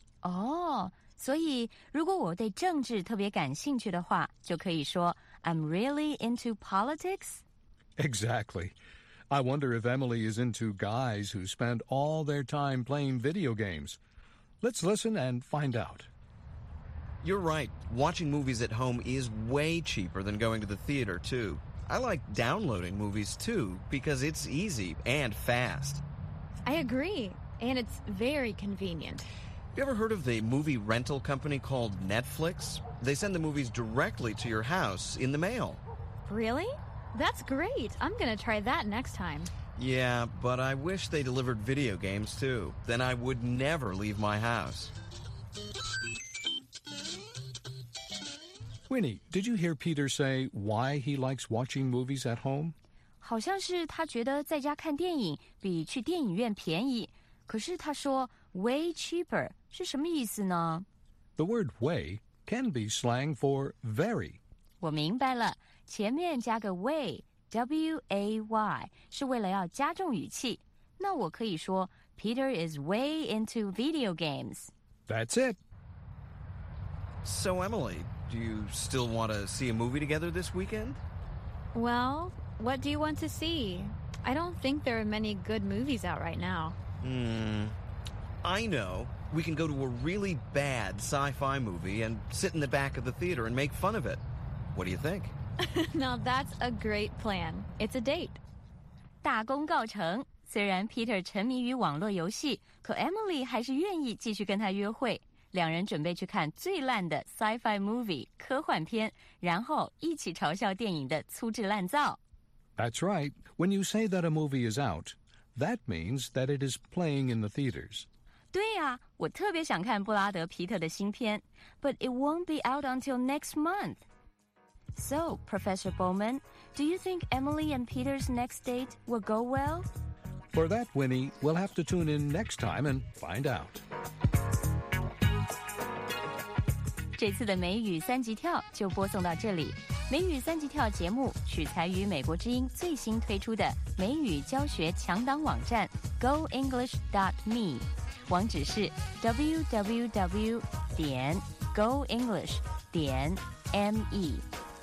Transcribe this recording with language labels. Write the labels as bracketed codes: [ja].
[zh] 哦、oh, ，所以如果我对政治特别感兴趣的话，就可以说 [en] I'm really into politics. Exactly. I wonder if Emily is into guys who spend all their time playing video games. Let's listen and find out. You're right. Watching movies at home is way cheaper than going to the theater, too. I like downloading movies, too, because it's easy and fast. I agree. And it's very convenient. Have you ever heard of the movie rental company called Netflix? They send the movies directly to your house in the mail. Really? That's great. I'm going to try that next time. Yeah, but I wish they delivered video games, too. Then I would never leave my house. Winnie, did you hear Peter say why he likes watching movies at home? [zh] 好像是他觉得在家看电影比去电影院便宜。可是他说 [en] way cheaper. [zh] 是什么意思呢? [en] The word way can be slang for very. [zh] 我明白了,前面加个 way, W-A-Y, 是为了要加重语气。那我可以说, [en] Peter is way into video games. That's it. So Emily, do you still want to see a movie together this weekend? Well, what do you want to see? I don't think there are many good movies out right now. I know. We can go to a really bad sci-fi movie and sit in the back of the theater and make fun of it. What do you think? Now that's a great plan. It's a date. [zh] 大功告成。虽然 Peter 沉迷于网络游戏，可 Emily 还是愿意继续跟他约会。两人准备去看最烂的 sci-fi movie 科幻片，然后一起嘲笑电影的粗制滥造。 [en] That's right. When you say that a movie is out, that means that it is playing in the theaters. [zh] 对呀、啊，我特别想看布拉德·皮特的新片 ， [en] But it won't be out until next month. So, Professor Bowman, do you think Emily and Peter's next date will go well? For that, Winnie, we'll have to tune in next time and find out. [zh] 这次的美语三级跳就播送到这里。美语三级跳节目取材于美国之音最新推出的美语教学强档网站 GoEnglish.me。网址是 www.goenglish.me。